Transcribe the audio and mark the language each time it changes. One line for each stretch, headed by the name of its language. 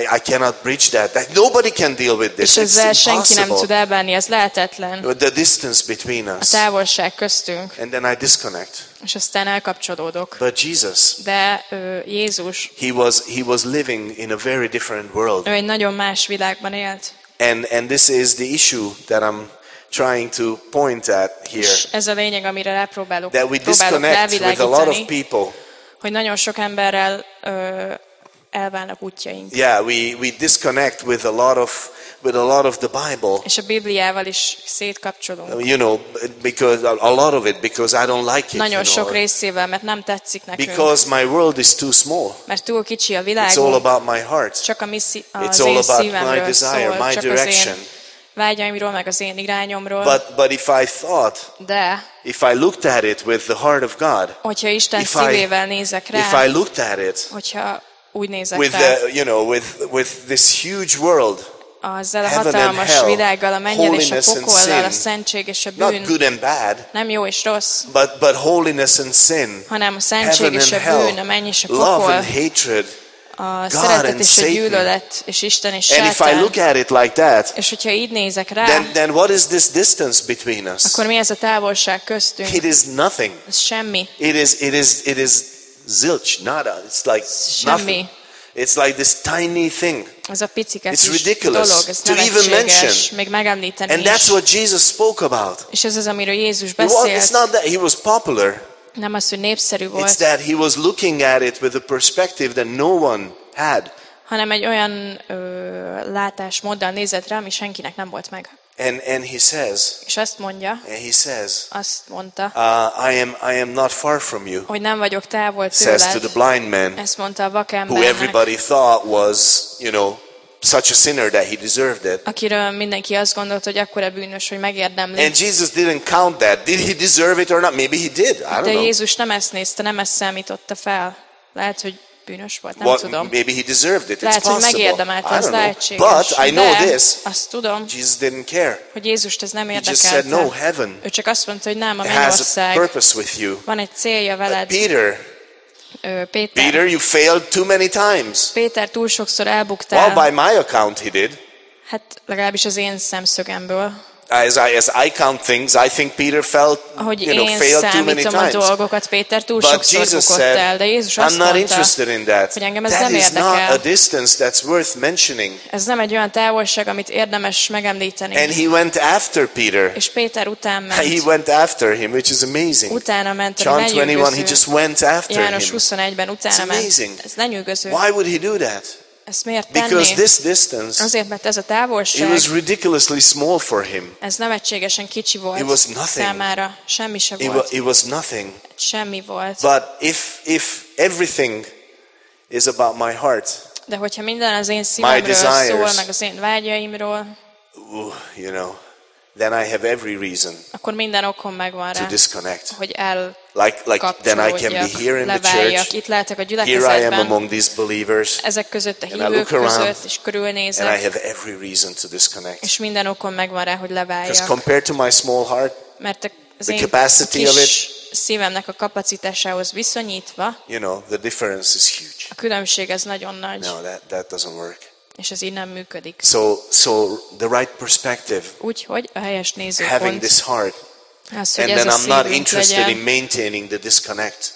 English: I cannot bridge that. Nobody can deal with this.
Hungarian: És ezzel
English: it's impossible.
Hungarian: Senki nem tud elbánni, ez lehetetlen.
English: But the distance between us,
Hungarian: a távolság köztünk,
English: and then I disconnect.
Hungarian: És aztán elkapcsolódok.
English: But Jesus,
Hungarian: de Jézus,
English: he was living in a very different world.
Hungarian: Ő egy nagyon más világban élt.
English: And this is the issue that I'm trying to point at here.
Hungarian: Ez a lényeg, amire rápróbálok.
English: That we disconnect with a lot of people.
Hungarian: Hogy nagyon sok emberrel elválnak útjaink.
English: Yeah, we disconnect with a lot of the Bible.
Hungarian: És a Bibliával is szétkapcsolunk.
English: You know, because a lot of it because I don't like it.
Hungarian: Nagyon sok
English: know,
Hungarian: részével, mert nem tetszik nekünk.
English: Because my world is too small.
Hungarian: Mert túl kicsi a világ.
English: It's all about my heart.
Hungarian: Csak a missi, az
English: it's all about my desire,
Hungarian: szól,
English: my direction.
Hungarian: Vágyaimról, meg az én irányomról.
English: But if I thought,
Hungarian: de,
English: if I looked at it with the heart of God,
Hungarian: hogyha Isten szívével nézek rá,
English: if I looked at it,
Hungarian: hogyha úgy nézek
English: with the, you know, with this huge world,
Hungarian: azzal a hatalmas világgal, a mennyel és a pokollal, a szentség és a bűn,
English: not good and bad,
Hungarian: nem jó és rossz,
English: but holiness and sin,
Hungarian: hanem a szentség és a bűn, a mennyel és a pokoll,
English: love and hatred,
Hungarian: a szeretet és a gyűlölet és Isten és
English: and if I look at it like that,
Hungarian: és hogyha így nézek rá,
English: then what is this distance between us?
Hungarian: Akkor mi ez a távolság köztünk?
English: It is nothing.
Hungarian: Ez semmi.
English: It is zilch, nada. It's like
Hungarian: semmi.
English: Nothing. It's like this tiny thing.
Hungarian: Ez a picike
English: it's ridiculous
Hungarian: dolog, ez
English: to even mention.
Hungarian: Még megemlíteni
English: and
Hungarian: is.
English: That's what Jesus spoke about.
Hungarian: És ez az, amiről Jézus beszélt.
English: It's not that he was popular.
Hungarian: Nem az, hogy népszerű volt.
English: It's that he was looking at it with a perspective that no one had.
Hungarian: Hanem egy olyan látásmóddal nézett rá, ami senkinek nem volt meg.
English: And he says.
Hungarian: És azt mondja.
English: And he says.
Hungarian: Azt mondta.
English: I am not far from you.
Hungarian: Hogy nem vagyok távol tőled.
English: Says to the blind man.
Hungarian: Ezt mondta a vak embernek.
English: Who everybody thought was, you know, such a sinner that he deserved it.
Hungarian: Akiről mindenki azt gondolt, hogy akkora bűnös, hogy megérdemli.
English: And Jesus didn't count that. Did he deserve it or not? Maybe he did. I don't know.
Hungarian: De Jézus nem ezt nézte, nem ezt számította fel. Lehet, hogy bűnös volt, nem
English: well,
Hungarian: tudom.
English: Maybe he deserved it.
Hungarian: Lehet,
English: it's possible.
Hungarian: Hogy megérdemelt, az lehetséges.
English: But I know
Hungarian: de
English: this.
Hungarian: Azt tudom.
English: Jesus didn't care.
Hungarian: Hogy Jézust ez nem érdekelte.
English: He just said, no, heaven.
Hungarian: Ő csak azt mondta, hogy nem, a mennyország.
English: Purpose with you.
Hungarian: Van egy célja veled.
English: Peter.
Hungarian: Péter.
English: Peter, you failed too many times.
Hungarian: Péter, túl sokszor elbuktál.
English: Well, by my account he did.
Hungarian: Hát legalábbis az én szemszögemből.
English: As I count things, I think Peter felt,
Hungarian: ahogy
English: you know, failed too many times.
Hungarian: Ahogy én számítom a dolgokat, Péter, túl
English: but
Hungarian: sokszor bukott el. De Jézus
English: I'm
Hungarian: azt mondta,
English: interested in that.
Hungarian: Hogy engem ez
English: that
Hungarian: nem érdekel.
English: That is not a distance that's worth mentioning.
Hungarian: Ez nem egy olyan távolság, amit érdemes megemlíteni.
English: And he went after Peter.
Hungarian: És Péter után ment.
English: He went after him, which is amazing.
Hungarian: Utána ment.
English: John 21, he just went after him.
Hungarian: János 21-ben utána ment.
English: It's amazing.
Hungarian: Ez lenyűgöző.
English: Why would he do that? Because this distance,
Hungarian: azért, mert ez a távolság,
English: it was ridiculously small for him.
Hungarian: Ez nevetségesen kicsi volt.
English: It was nothing.
Hungarian: Számára semmi se volt.
English: It was nothing.
Hungarian: Semmi volt.
English: But if everything is about my heart,
Hungarian: de hogyha minden az én szívemről szól, meg az én vágyaimról,
English: you know, then I have every reason,
Hungarian: akkor minden okom megvan rá,
English: to disconnect.
Hungarian: Hogy el
English: Like then I can be here in the church.
Hungarian: Itt lehetek a gyülekezetben.
English: Here I am among these believers.
Hungarian: Ezek között a hívők között és körülnézek.
English: And I have every reason to disconnect.
Hungarian: És minden okom megvan rá, hogy leváljak.
English: Because compared to my small heart,
Hungarian: mert az én
English: capacity of it,
Hungarian: szívemnek a kapacitásához viszonyítva,
English: you know, the difference is huge.
Hungarian: A különbség ez nagyon nagy.
English: No, that doesn't work.
Hungarian: És ez így nem működik.
English: So the right perspective.
Hungarian: Úgyhogy a helyes nézőpont.
English: Having this heart. And then I'm not interested in maintaining the disconnect.